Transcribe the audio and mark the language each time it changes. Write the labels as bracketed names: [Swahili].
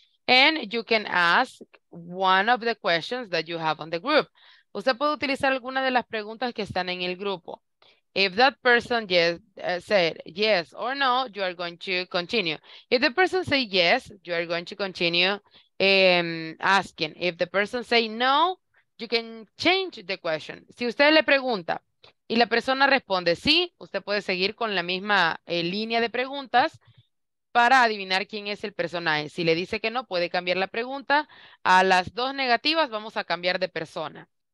[English] And you can ask one of the questions that you have on the group. [Spanish] Usted puede utilizar alguna de las preguntas que están en el grupo. [English] If that person said yes or no, you are going to continue. If the person say yes, you are going to continue asking. If the person say no, you can change the question. [Spanish] Si usted le pregunta y la persona responde sí, usted puede seguir con la misma línea de preguntas para adivinar quién es el personaje. Si le dice que no, puede cambiar la pregunta. A las dos negativas vamos a cambiar de persona.